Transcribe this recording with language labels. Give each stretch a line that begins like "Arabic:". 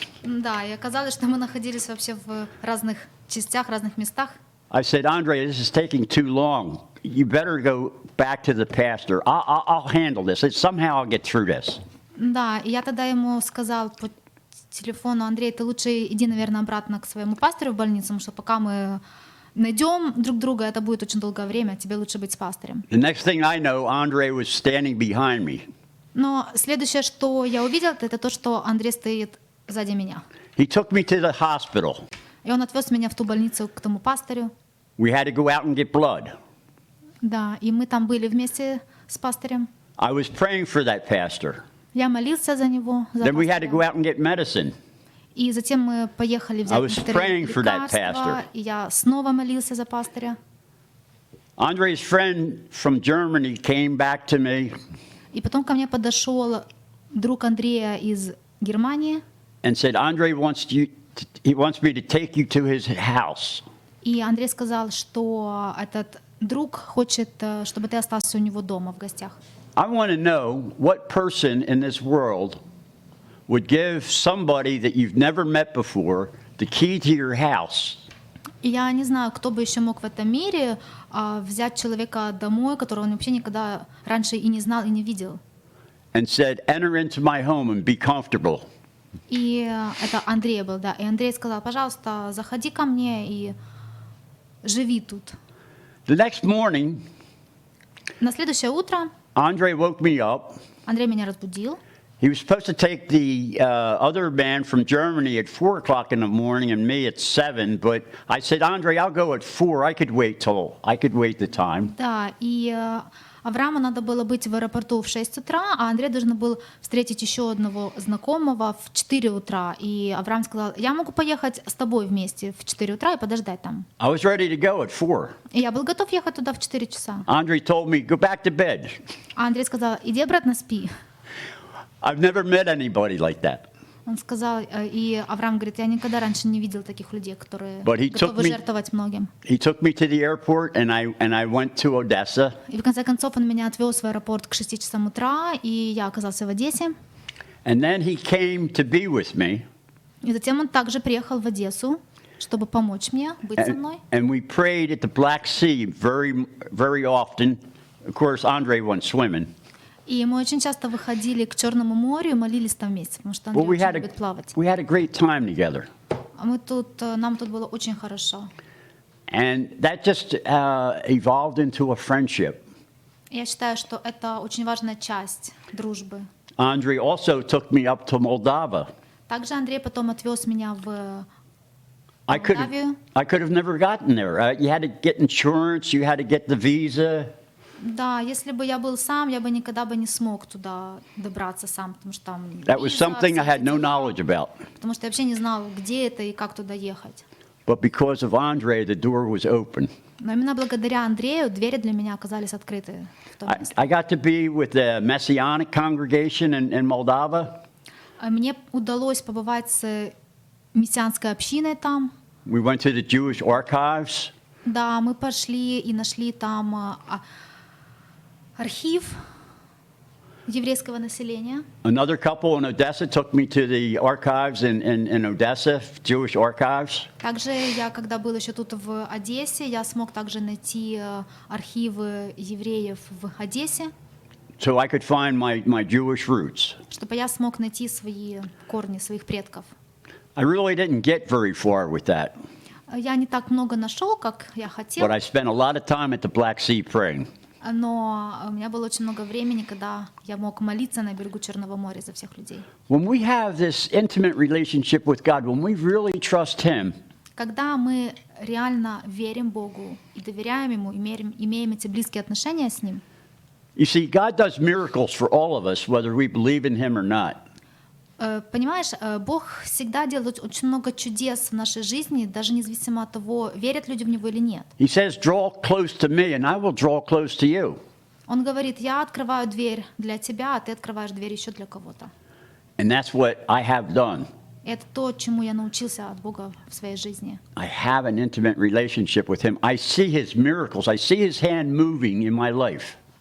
Russian: Да, и оказалось, что мы находились вообще в разных частях, разных местах.
English: I said, Andre, this is taking too long. You better go back to the pastor. I'll handle this. Somehow I'll get through this.
Russian: Да, я тогда ему сказал по телефону, Андрей, ты лучше иди, наверное, обратно к своему пастору в больницу, потому что пока мы найдем друг друга, это будет очень долгое время. Тебе лучше быть с пастором.
English: The next thing I know, Andre was standing behind me.
Russian: Но следующее, что я увидел, это то, что Андрей стоит сзади меня.
English: He took me to the hospital.
Russian: И он отвез меня в ту больницу к тому пастору.
English: We had to go out and get blood.
Russian: Да, и мы там были вместе с пастором.
English: I was praying for that pastor.
Russian: Я молился за него.
English: Then we had to go out and get medicine.
Russian: И затем мы поехали взять лекарства.
English: I was praying for that pastor.
Russian: И я снова молился за пастора.
English: Andre's friend from Germany came back to me.
Russian: И потом ко мне подошел друг Андрея из Германии.
English: And said, Andre wants you. He wants me to take you to his house.
Russian: И Андрей сказал, что этот друг хочет, чтобы ты остался у него дома в гостях.
English: I want to know what person in this world would give somebody that you've never met before the key to your house.
Russian: Я не знаю, кто бы еще мог в этом мире взять человека домой, которого он вообще никогда раньше и не знал и не видел.
English: And said, "Enter into my home and be comfortable."
Russian: И это Андрей был, да. И Андрей сказал, пожалуйста, заходи ко мне и живи тут.
English: The next morning,
Russian: на следующее утро,
English: Andre woke me up.
Russian: Андрей меня разбудил.
English: He was supposed to take the other man from Germany at 4:00 in the morning and me at 7:00, but I said, Andre, I'll go at 4:00. I could wait the time.
Russian: Да, и Аврааму надо было быть в аэропорту в 6 утра, а Андрей должен был встретить еще одного знакомого в 4 утра. И Авраам сказал, я могу поехать с тобой вместе в 4 утра и подождать там.
English: I was ready to go at 4.
Russian: И я был готов ехать туда в 4 часа.
English: Andre told me, go back to bed.
Russian: А Андрей сказал, иди обратно спи.
English: I've never met anybody like that.
Russian: Он сказал, и Авраам говорит, я никогда раньше не видел таких людей, которые готовы жертвовать многим.
English: He took me to the airport, and I went to Odessa.
Russian: И в конце концов он меня отвез в аэропорт к 6 часам утра, и я оказался в Одессе.
English: And then he came to be with me.
Russian: И затем он также приехал в Одессу, чтобы помочь мне быть со мной.
English: And we prayed at the Black Sea very, very often. Of course, Andre went swimming.
Russian: И мы очень часто выходили к Черному морю и молились там вместе, потому что Андрей очень любит плавать.
English: We had a great time together.
Russian: Нам тут было очень хорошо.
English: And that just evolved into a friendship.
Russian: Я считаю, что это очень важная часть дружбы.
English: Andrei also took me up to Moldova.
Russian: Также Андрей потом отвез меня в
English: Молдавию. I could have never gotten there. You had to get insurance, you had to get the visa.
Russian: Да, если бы я был сам, я бы никогда бы не смог туда добраться сам, потому что там...
English: That was something I had no knowledge about.
Russian: Потому что я вообще не знал, где это и как туда ехать.
English: But because of Andre, the door was open.
Russian: Но именно благодаря Андрею двери для меня оказались открыты.
English: I got to be with the Messianic congregation in Moldova.
Russian: Мне удалось побывать с мессианской общиной там.
English: We went to the Jewish archives.
Russian: Да, мы пошли и нашли там... Архив еврейского населения.
English: Another couple in Odessa took me to the archives in Odessa, Jewish archives.
Russian: Также я, когда был еще тут в Одессе, я смог также найти архивы евреев в Одессе.
English: So I could find my Jewish roots.
Russian: Чтобы я смог найти свои корни своих предков.
English: I really didn't get very far with that.
Russian: Я не так много нашел, как я хотел.
English: But I spent a lot of time at the Black Sea praying.
Russian: Но у меня было очень много времени, когда я мог молиться на берегу Черного моря за всех людей.
English: When we have this intimate relationship with God, when we really trust Him,
Russian: когда мы реально верим Богу и доверяем Ему, имеем эти близкие отношения с Ним,
English: you see, God does miracles for all of us, whether we believe in Him or not.
Russian: Понимаешь, Бог всегда делает очень много чудес в нашей жизни, даже независимо от того, верят люди в Него или нет.
English: He says, draw close to me, and I will draw close to you.
Russian: Он говорит, я открываю дверь для тебя, а ты открываешь дверь еще для кого-то.
English: And that's what I have done.
Russian: Это то, чему я научился от Бога в своей жизни.
English: I have an intimate relationship with Him. I see His miracles. I see His hand moving in my life.